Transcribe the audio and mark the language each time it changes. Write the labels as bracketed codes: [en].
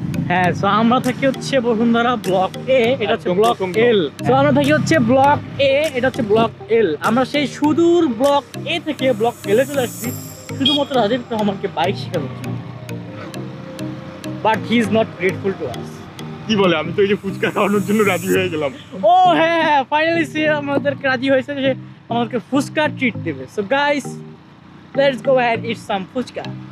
[bn] হ্যাঁ, সো আমরা থাকি হচ্ছে বসুন্ধরা ব্লক এ, এটা হচ্ছে ব্লক এল। সো আমরা থাকি হচ্ছে ব্লক এ, এটা হচ্ছে ব্লক এল। আমরা সেই সুদূর ব্লক এ থেকে ব্লক এল এ চলে আসছি শুধুমাত্র রাজীব তো আমাকে বাইক শেখানোর জন্য। [en] But he is not grateful to us. [bn] কি বলে, আমি তো এই যে ফুচকা খাওয়ানোর জন্য রাজি হয়ে গেলাম। ও হ্যাঁ হ্যাঁ, ফাইনালি সে আমাদেরকে রাজি হয়েছে যে আমাদেরকে ফুচকা ট্রিট দেবে। [en] So guys, let's go and eat some fuchka.